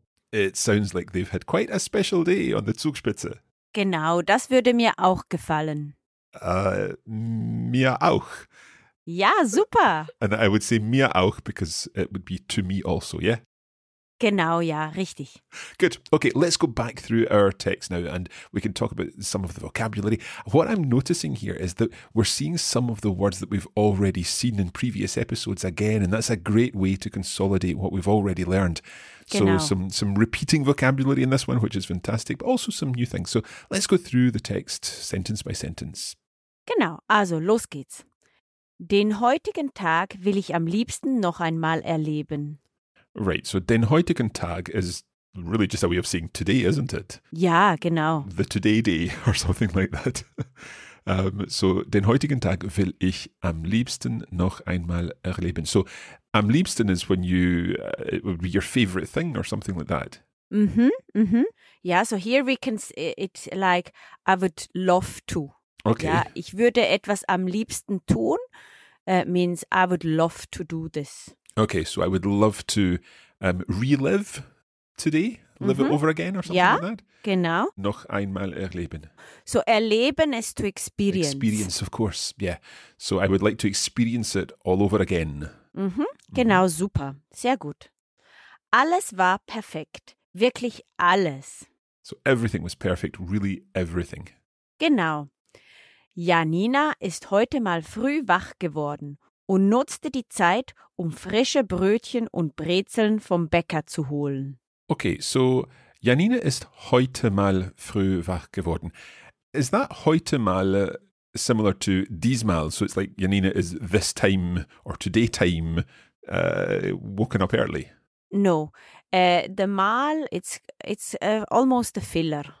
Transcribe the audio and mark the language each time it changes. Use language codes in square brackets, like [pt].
[en] It sounds like they've had quite a special day on the Zugspitze. [de] Genau, das würde mir auch gefallen. Mir auch. Ja, super. [en] And I would say [de] mir auch [en] because it would be to me also, yeah? [de] Genau, ja, richtig. [en] Good. Okay, let's go back through our text now and we can talk about some of the vocabulary. What I'm noticing here is that we're seeing some of the words that we've already seen in previous episodes again, and that's a great way to consolidate what we've already learned. [de] Genau. [en] So some repeating vocabulary in this one, which is fantastic, but also some new things. So let's go through the text sentence by sentence. [de] Genau, also los geht's. Den heutigen Tag will ich am liebsten noch einmal erleben. [en] Right, so [de] den heutigen Tag [en] is really just a way of saying today, isn't it? [de] Ja, genau. [en] The today day or something like that. [de] So den heutigen Tag will ich am liebsten noch einmal erleben. [en] So [de] am liebsten [en] is when you, it would be your favorite thing or something like that. Mm-hmm, mm-hmm. Yeah, so here we can, it's like I would love to. Okay. [de] Ja, ich würde etwas am liebsten tun, [en] means I would love to do this. Okay, so I would love to relive today, live mm-hmm. it over again or something [de] ja, [en] like that. [de] Ja, genau. Noch einmal erleben. [en] So erleben is to experience. Experience, of course, yeah. So I would like to experience it all over again. [de] Mm-hmm. Genau, mm-hmm. super. Sehr gut. Alles war perfekt. Wirklich alles. [en] So everything was perfect, really everything. [de] Genau. Janina ist heute mal früh wach geworden und nutzte die Zeit, um frische Brötchen und Brezeln vom Bäcker zu holen. Okay, so Janina ist heute mal früh wach geworden. [en] Is that [de] heute mal [en] similar to diesmal? So it's like Janina is this time or today time woken up early? No, the mal, it's almost a filler.